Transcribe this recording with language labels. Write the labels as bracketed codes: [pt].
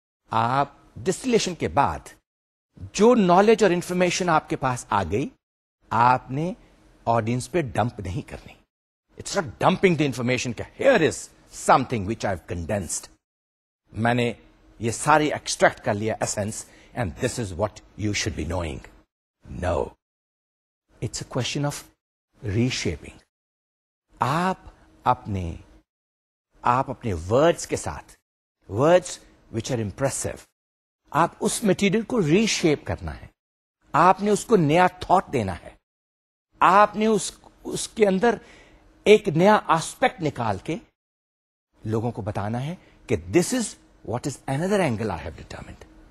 [ur] آپ ڈسٹلیشن کے بعد جو نالج اور انفارمیشن آپ کے پاس آ گئی آپ نے آڈینس پہ ڈمپ نہیں کرنی. [en] It's not dumping the information کہ here is something which I have condensed, میں نے یہ ساری ایکسٹریکٹ کر لیا essence and this is what you should be knowing. No, it's a question of reshaping. [ur] آپ اپنے ورڈس کے ساتھ, [en] words which are impressive, [ur] آپ اس مٹیریل کو ری شیپ کرنا ہے, آپ نے اس کو نیا تھاٹ دینا ہے, آپ نے اس کے اندر ایک نیا آسپیکٹ نکال کے لوگوں کو بتانا ہے کہ [en] This is what is اندر angle I have determined.